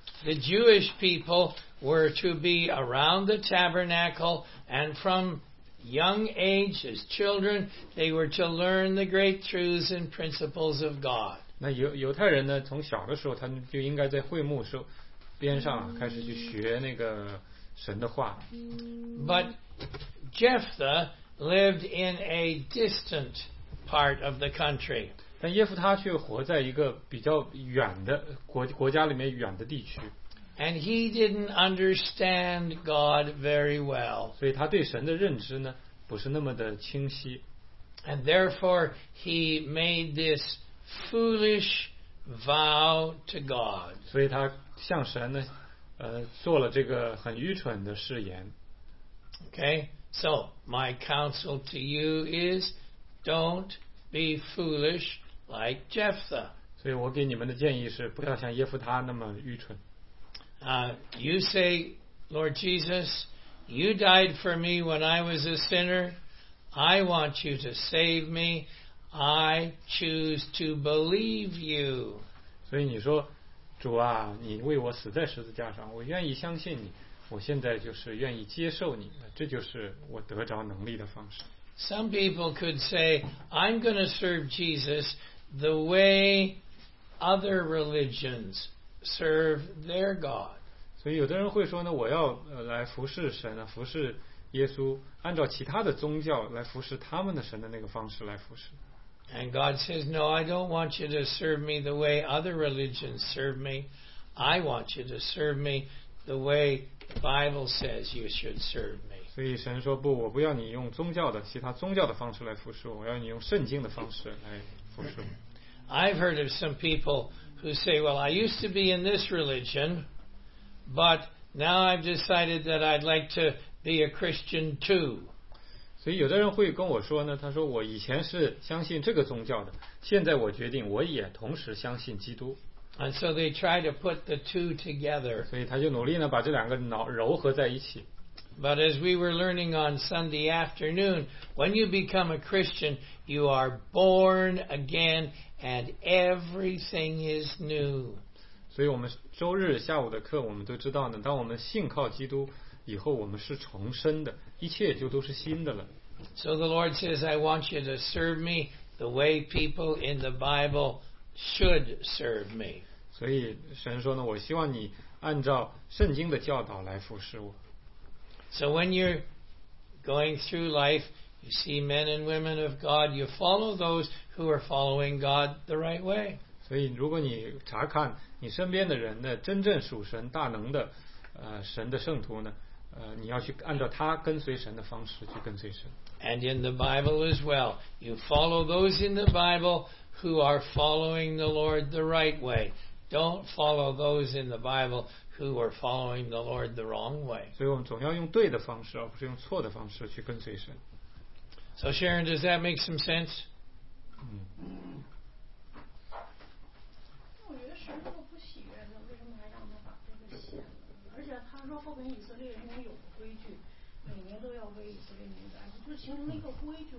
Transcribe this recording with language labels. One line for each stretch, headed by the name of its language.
English: The Jewish people were to be around the tabernacle, and from young age, as children, they were to learn the great truths and principles of God.
Chinese: 那犹太人呢？从小的时候，他们就应该在会幕时候边上开始去学那个神的话。
English: But Jephthah lived in a distant part of the country.
Chinese: 但耶夫他却活在一个比较远的国家里面远的地区。
English: And he didn't understand God very well.
Chinese: 所以他对神的认知呢，不是那么的清晰。
English: And therefore, he made this foolish vow to God.
Chinese: 所以他向神呢，做了这个很愚蠢的誓言。
English: Okay, so my counsel to you is, don't be foolish like Jephthah.
Chinese: 所以我给你们的建议是，不要像耶夫他那么愚蠢。
English: You say, Lord Jesus, you died for me when I was a sinner. I want you to save me. I choose to believe you.
Chinese: 所以你说，主啊，你为我死在十字架上，我愿意相信你。我现在就是愿意接受你，这就是我得着能力的方式。
English: Some people could say, I'm going to serve Jesus the way other religions serve their God.
Chinese: 所以有的人会说呢，我要来服侍神啊，服侍耶稣，按照其他的宗教来服侍他们的神的那个方式来服侍。
English: And God says, No, I don't want you to serve me the way other religions serve me. I want you to serve me the way Bible says you should serve me.
Chinese: 所以神说不，我不要你用宗教的其他宗教的方式来服侍，我要你用圣经的方式来服侍。
English: I've heard of some people who say, Well, I used to be in this religion, but now I've decided that I'd like to be a Christian too.
Chinese: 所以有的人会跟我说呢，他说我以前是相信这个宗教的，现在我决定我也同时相信基督。
English: And so they try to put the two together.
Chinese: 所以他就努力呢把这两个脑糅合在一起。
English: But as we were learning on Sunday afternoon, when you become a Christian, you are born again and everything is new.
Chinese: 所以我们周日下午的课我们都知道呢，当我们信靠基督以后我们是重生的，一切就都是新的了。
English: So the Lord says, I want you to serve me the way people in the Bible should serve me.
Chinese: 所以神说呢，我希望你按照圣经的教导来服侍我。
English: So when you're going through life, you see men and women of God, you follow those who are following God the right way.
Chinese: 所以如果你查看你身边的人的真正属神大能的神的圣徒呢，你要去按照他跟随神的方式去跟随神。
English: And in the Bible as well, you follow those in the Bible who are following the Lord the right way. Don't follow those in the Bible who are following the Lord the wrong way.
Chinese: 所以我们总要用对的方式，而不是用错的方式去跟随神。
English: So Sharon, does that make some sense?
Chinese: 我觉得神如果不喜悦，为什么还让他把这个写了？而且他说后面以色列人民有规矩，每年都要为以色列民宰，就形成了一个规矩。